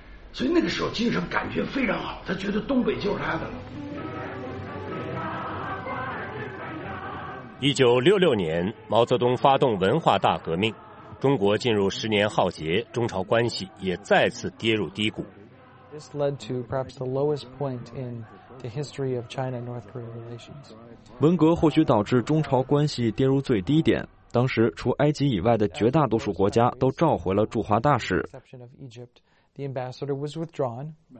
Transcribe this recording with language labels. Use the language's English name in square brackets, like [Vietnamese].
[Chinese] 所以那个时候金日成感觉非常好，他觉得东北就是他的了。 1966年，毛泽东发动文化大革命，中国进入十年浩劫，中朝关系也再次跌入低谷。 [English] This led to perhaps the lowest point in the history of China-North Korea relations. [Chinese] 文革或许导致中朝关系跌入最低点。当时，除埃及以外的绝大多数国家都召回了驻华大使。 [English] The ambassador was withdrawn.